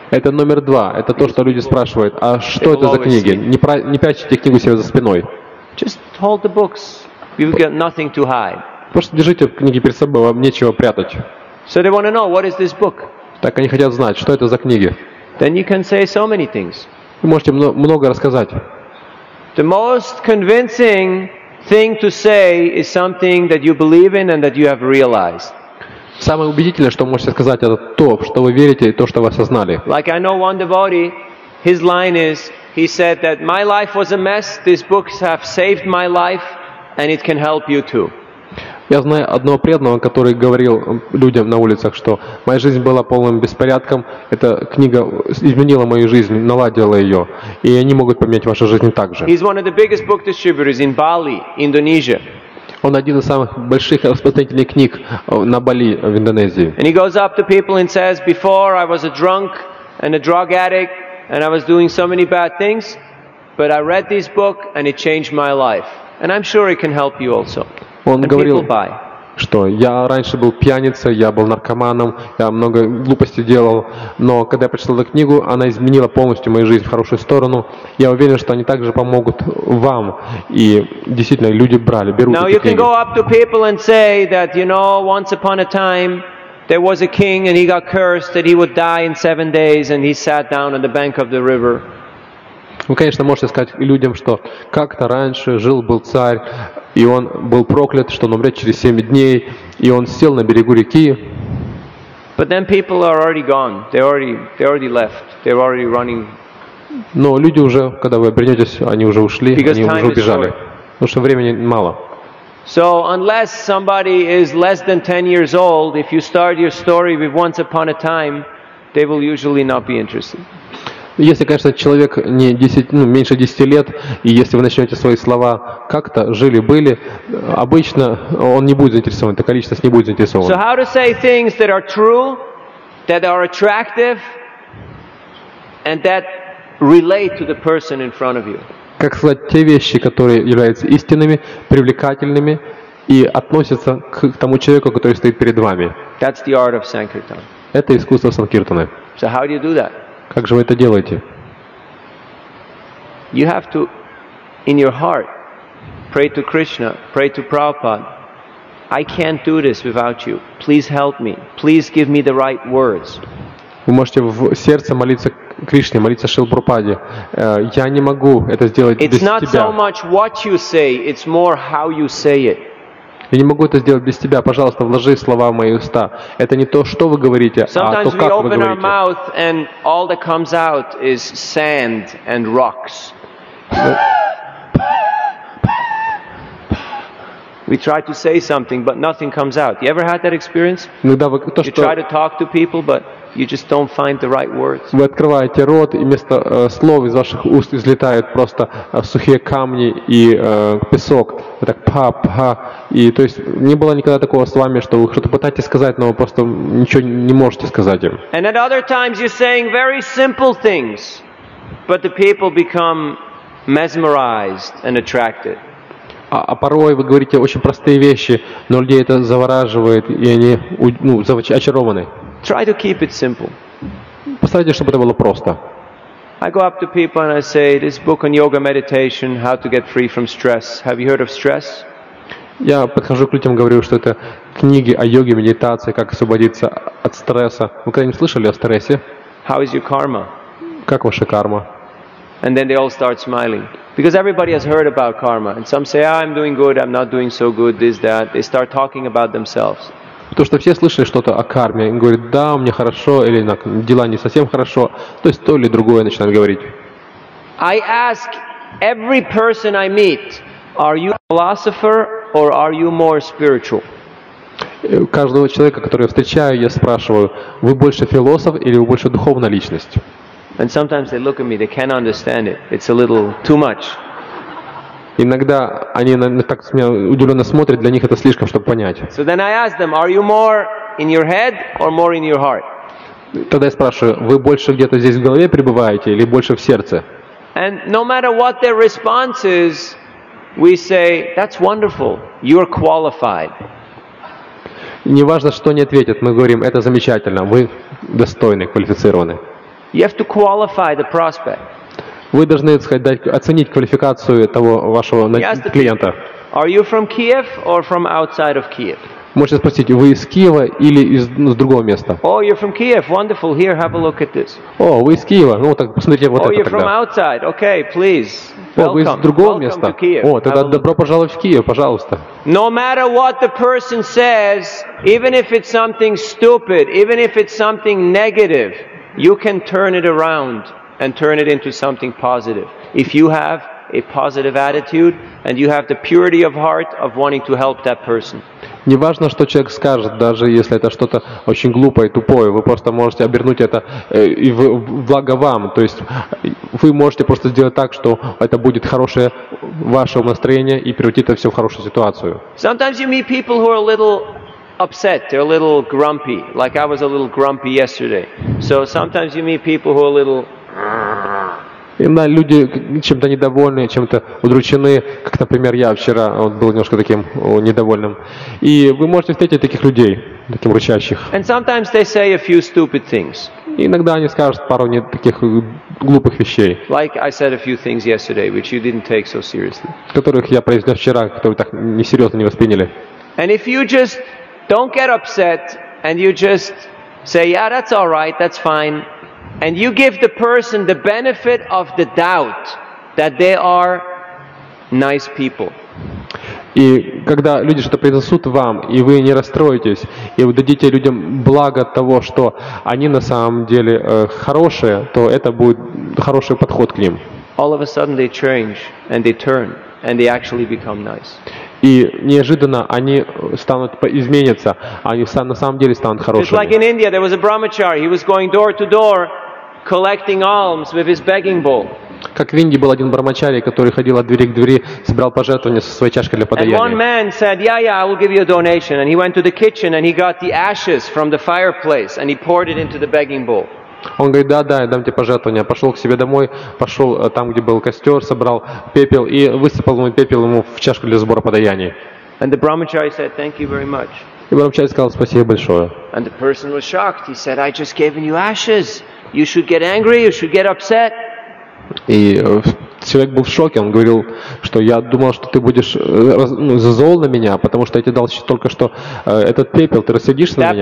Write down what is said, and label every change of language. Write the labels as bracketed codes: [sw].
[ru] Это номер два. Это то, что люди спрашивают. А что это за книги? Не прячьте книгу себе за спиной. [en] Just hold the books. You've got nothing to hide. [ru] Просто держите книги перед собой, вам нечего прятать. [en] So they want to know, what is this book? [ru] Так они хотят знать, что это за книги. [en] Then you can say so many things. [ru] Вы можете много рассказать. [en] The most convincing thing to say is something that you believe in and that you have realized. [ru] Самое убедительное, что можете сказать, это то, что вы верите и то, что вы осознали. [en] Like I know one devotee, his line is, he said that my life was a mess, these books have saved my life and it can help you too. [ru] Я знаю одного преданного, который говорил людям на улицах, что моя жизнь была полным беспорядком, эта книга изменила мою жизнь, наладила ее, и они могут поменять вашу жизнь так же. [en] He's one of the biggest book distributors in Bali, Indonesia. [ru] Он один из самых больших распространителей книг на Бали, в Индонезии. [en] And he goes up to people and says, before I was a drunk and a drug addict and I was doing so many bad things, But I read this book and it changed my life. And I'm sure it can help you also. [ru] Он говорил, что я раньше был пьяницей, я был наркоманом, я много глупостей делал, но когда я прочитал эту книгу, она изменила полностью мою жизнь в хорошую сторону. Я уверен, что они также помогут вам. И действительно, люди брали, берут эти книги. [en] Now you can go up to people and say that, you know, once upon a time there was a king and he got cursed that he would die in 7 days and he sat down on the bank of the river. [ru] Вы, конечно, можете сказать людям, что как-то раньше жил-был царь, и он был проклят, что он умрет через 7 дней, и он сел на берегу реки. [en] But then people are already gone. They already left. They're already running. [ru] Но люди уже, когда вы обернетесь, они уже ушли, они уже убежали. Потому что времени мало. [en] So unless somebody is less than 10 years old, if you start your story with once upon a time, they will usually not be interested. [ru] Если, конечно, человек не 10, ну, меньше 10 лет, и если вы начнете свои слова как-то жили-были, обычно он не будет заинтересован, эта количество не будет заинтересован. [en] So how to say things that are true, that are attractive, and that relate to the person in front of you? [ru] Как сказать те вещи, которые являются истинными, привлекательными и относятся к тому человеку, который стоит перед вами? [en] That's the art of Sankirtan. [ru] Это искусство Санкиртаны. [en] So how do you do that? [ru] Как же вы это делаете? [en] You have to, in your heart, pray to Krishna, pray to Prabhupada. I can't do this without you. Please help me. Please give me the right words. [ru] Вы можете в сердце молиться Кришне, молиться Шрила Прабхупаде. Я не могу это сделать без тебя. [en] It's not so much what you say, it's more how you say it. [ru] Я не могу это сделать без тебя. Пожалуйста, вложи слова в мои уста. Это не то, что вы говорите, [en] Sometimes [ru] а то, как вы говорите. [en] Our mouth and all that comes out is sand and rocks. We try to say something, but nothing comes out. You ever had that experience? You try to talk to people, but you just don't find the right words. [ru] Вы открываете рот, и вместо слов из ваших уст излетают просто сухие камни и песок. Так па-па. И то есть не было никогда такого с вами, что вы что-то пытаетесь сказать, но вы просто ничего не можете сказать им. [en] And at other times you're saying very simple things, but the people become mesmerized and attracted. [ru] А порой вы говорите очень простые вещи, но людей это завораживает, и они очарованы. [en] Try to keep it simple. [ru] Постарайтесь, чтобы это было просто. [en] I go up to people and I say, this book on yoga meditation, how to get free from stress. Have you heard of stress? [ru] Я подхожу к людям, говорю, что это книги о йоге, медитации, как освободиться от стресса. Вы когда-нибудь слышали о стрессе? [en] How is your karma? [ru] Как ваша карма? [en] And then they all start smiling. Because everybody has heard about karma. And some say, I'm doing good, I'm not doing so good, this, that. They start talking about themselves. [ru] Потому что все слышали что-то о карме. Они говорят, да, у меня хорошо, или дела не совсем хорошо. То есть то или другое начинают говорить. [en] I ask every person I meet, are you a philosopher or are you more spiritual? [ru] Каждого человека, которого я встречаю, я спрашиваю, вы больше философ или вы больше духовная личность? [en] And sometimes they look at me, they can't understand it. It's a little too much. [ru] Иногда они так с меня удивленно смотрят, для них это слишком, чтобы понять. [en] So then I ask them, are you more in your head or more in your heart? [ru] Тогда я спрашиваю, вы больше где-то здесь в голове пребываете или больше в сердце? [en] And no matter what their response is, we say, that's wonderful, you're qualified. [ru] Неважно, что они ответят, мы говорим, это замечательно, вы достойны, квалифицированы. [en] You have to qualify the prospect. [ru] Вы должны сказать, оценить квалификацию того вашего клиента. [en] Are you from Kiev or from outside of Kiev? [ru] Можете спросить, вы из Киева или из другого места? [en] Oh, you're from Kiev. Wonderful. Here, have a look at this. [ru] О, вы из Киева. Ну так посмотрите вот это тогда. [en] Oh, you're from outside. Okay, please. Welcome. [ru] О, вы из другого места. О, тогда добро пожаловать в Киев, пожалуйста. [en] No matter what the person says, even if it's something stupid, even if it's something negative, you can turn it around. And turn it into something positive. If you have a positive attitude and you have the purity of heart of wanting to help that person. [ru] Не важно, что человек скажет, даже если это что-то очень глупое, тупое, вы просто можете обернуть это и в благо вам. То есть вы можете просто сделать так, что это будет хорошее ваше настроение и превратить это все в хорошую ситуацию. [en] Sometimes you meet people who are a little upset, they're a little grumpy. Like I was a little grumpy yesterday. So sometimes you meet people who are a little [ru] люди чем-то недовольны, чем-то удручены, как, например, я вчера был немножко таким недовольным. И вы можете встретить таких людей, таким рычащих. [en] And sometimes they say a few stupid things. [ru] И иногда они скажут пару не таких глупых вещей. [en] Like I said a few things yesterday, which you didn't take so seriously. [ru] Которых я произнес вчера, которые так несерьезно не восприняли. [en] And if you just don't get upset and you just say, yeah, that's all right, that's fine, and you give the person the benefit of the doubt that they are nice people. [ru] И когда люди что-то произнесут вам, и вы не расстроитесь, и вы дадите людям благо того, что они на самом деле хорошие, то это будет хороший подход к ним. [en] All of a sudden they change and they turn and they actually become nice. [ru] И неожиданно они станут изменятся, они на самом деле станут хорошими. [en] It's like in India, there was a brahmachari. He was going door to door, collecting alms with his begging bowl. [ru] Как в Индии был один брахмачари, который ходил от двери к двери, собирал пожертвования со своей чашкой для подаяния. [en] And one man said, "Yeah, yeah, I will give you a donation." And he went to the kitchen and he got the ashes from the fireplace and he poured it into the begging bowl. [ru] Он говорит, да, да, я дам тебе пожертвование. Пошел к себе домой, пошел там, где был костер, собрал пепел и высыпал ему пепел ему в чашку для сбора подаяний. [en] And the brahmachari said, "Thank you very much." [ru] И брахмачари сказал, спасибо большое. [en] And the person was shocked. He said, "I just gave you ashes. You should get angry. You should get upset." [ru] И человек был в шоке, он говорил, что я думал, что ты будешь зол на меня, потому что я тебе дал только что этот пепел, ты рассердишься на меня.